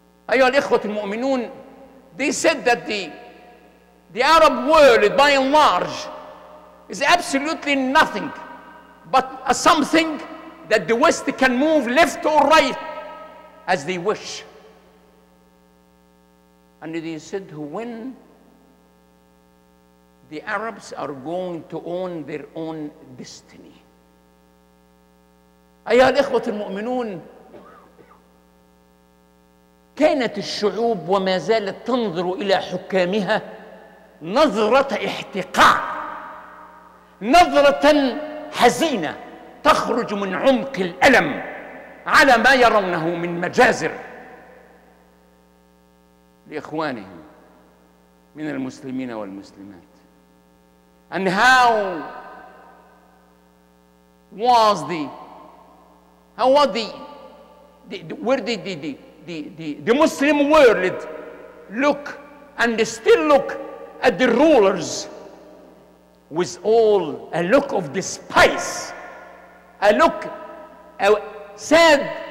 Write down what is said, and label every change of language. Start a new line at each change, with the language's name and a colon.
Arabic: أيها الإخوة المؤمنون,
English: they said that the Arab world, by and large, is absolutely nothing but a something that the West can move left or right as they wish. And they said, when the Arabs are going to own their own destiny.
Arabic: أيها الإخوة المؤمنون, كانت الشعوب وما زالت تنظر إلى حكامها نظرة احتقار, نظرة حزينة تخرج من عمق الألم على ما يرونه من مجازر لإخوانهم من المسلمين والمسلمات.
English: And how was the, how was the where did the Muslim world look and still look at the rulers with all a look of despise, a look, a sad,